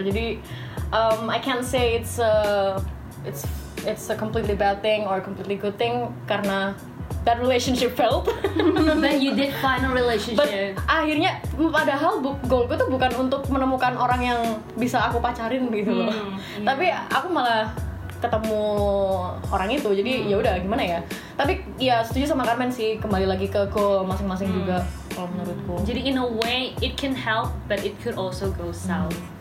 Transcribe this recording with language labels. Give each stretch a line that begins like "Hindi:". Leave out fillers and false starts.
Indonesian: Jadi
English: I can't say it's a completely bad thing or a completely good thing
Indonesian: karena
English: that relationship failed. But you did find a relationship.
Indonesian: But akhirnya padahal goalku tuh bukan untuk menemukan orang yang bisa aku pacarin gitu loh. Tapi aku malah ketemu orang itu, jadi ya udah gimana ya. Tapi ya setuju sama Carmen sih, kembali lagi ke goal masing-masing juga kalau menurutku.
English: Jadi in a way it can help but it could also go south.